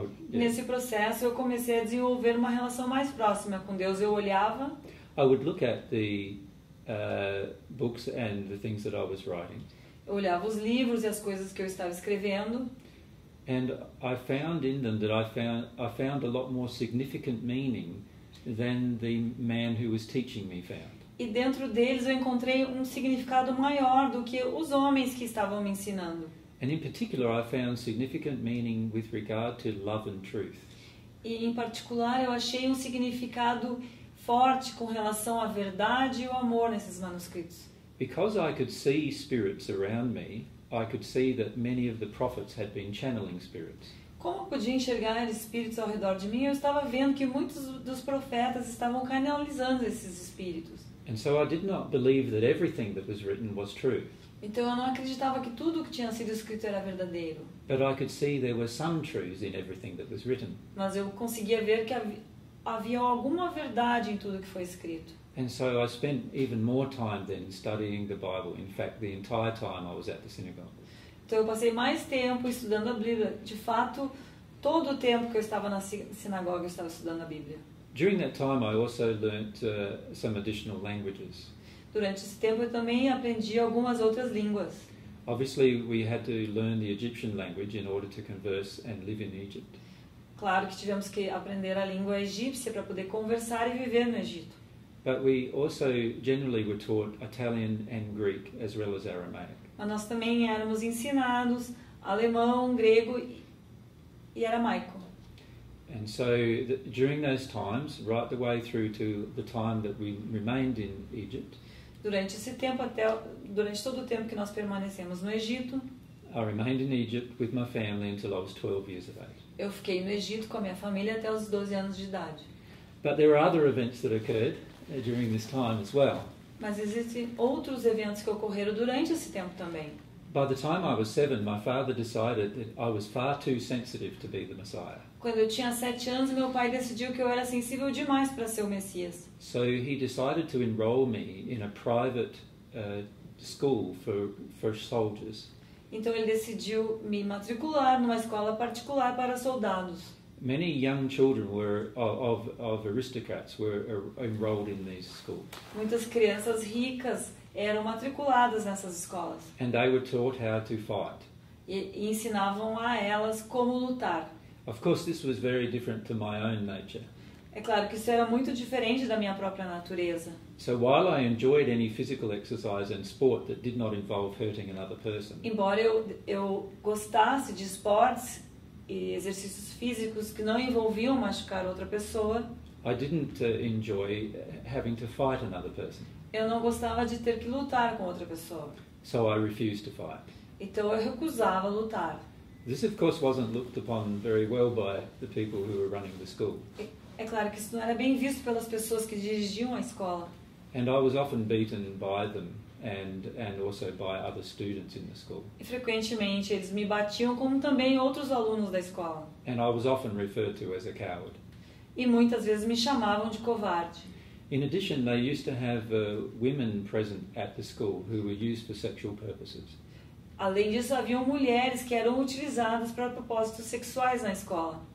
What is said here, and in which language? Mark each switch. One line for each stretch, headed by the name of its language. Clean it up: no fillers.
Portuguese: Nesse processo eu comecei a desenvolver uma relação mais próxima com Deus. Eu olhava.
English: I would look at the books and the things that I was writing.
Portuguese: Eu olhava os livros e as coisas que eu estava escrevendo.
English: And I found in them that I found a lot more significant meaning than the man who was teaching me found.
Portuguese: E dentro deles eu encontrei um significado maior do que os homens que estavam me ensinando.
English: And in particular, I found significant meaning with regard to love and truth.
Portuguese: E em particular, eu achei um significado forte com relação à verdade e ao amor nesses manuscritos.
English: Because I could see spirits around me, I could see that many of the prophets had been channeling spirits.
Portuguese: Como eu podia enxergar espíritos ao redor de mim? Eu estava vendo que muitos dos profetas estavam canalizando esses espíritos.
English: And so I did not believe that everything that was written was true.
Portuguese: Então eu não acreditava que tudo o que tinha sido escrito era verdadeiro.
English: But I could see there were some truths in everything that was written.
Portuguese: Mas eu conseguia ver que havia alguma verdade em tudo que foi escrito.
English: And so I spent even more time then studying the Bible. In fact, the entire time I was at the synagogue.
Portuguese: Então eu passei mais tempo estudando a Bíblia. De fato, todo o tempo que eu estava na sinagoga, eu estava estudando a Bíblia.
English: During that time, I also learned some additional languages.
Portuguese: Durante esse tempo, eu também aprendi algumas outras línguas.
English: Obviously, we had to learn the Egyptian language in order to converse and live in Egypt.
Portuguese: Claro que tivemos que aprender a língua egípcia para poder conversar e viver no Egito.
English: But we also generally were taught Italian and Greek as well as Aramaic.
Portuguese: Mas nós também éramos ensinados alemão, grego e aramaico.
English: And so during those times, right the way through to the time that we remained in Egypt.
Portuguese: Durante esse tempo durante todo o tempo que nós permanecemos no Egito.
English: I remained in Egypt with my family until I was 12 years of age.
Portuguese: Eu fiquei no Egito com a minha família até os 12 anos de idade.
English: But there are other events that occurred. during this time as well.
Portuguese: Mas existem outros eventos que ocorreram durante esse tempo também.
English: By the time I was 7, my father decided that I was far too sensitive to be the Messiah.
Portuguese: Quando eu tinha 7 anos, meu pai decidiu que eu era sensível demais para ser o Messias.
English: So he decided to enroll me in a private school for soldiers.
Portuguese: Então ele decidiu me matricular numa escola particular para soldados.
English: Many young children were of aristocrats were enrolled in these schools.
Portuguese: Muitas crianças ricas eram matriculadas nessas escolas.
English: And they were taught how to fight.
Portuguese: E ensinavam a elas como lutar.
English: Of course, this was very different to my own nature.
Portuguese: É claro que isso era muito diferente da minha própria natureza.
English: So while I enjoyed any physical exercise and sport that did not involve hurting another person.
Portuguese: Embora eu gostasse de esportes e exercícios físicos que não envolviam machucar outra pessoa,
English: I didn't enjoy having to fight another person.
Portuguese: Eu não gostava de ter que lutar com outra pessoa.
English: So I refused to fight.
Portuguese: Então eu recusava lutar.
English: This of course wasn't looked upon very well by the people who were running the school.
Portuguese: É claro que isso não era bem visto pelas pessoas que dirigiam a escola.
English: And I was often beaten by them and also by other students in the school.
Portuguese: E frequentemente eles me batiam como também outros alunos da escola.
English: And I was often referred to as a coward.
Portuguese: E muitas vezes me chamavam de covarde.
English: In addition, they used to have women present at the school who were used for sexual purposes.
Portuguese: Além disso, havia mulheres que eram utilizadas para propósitos sexuais na escola.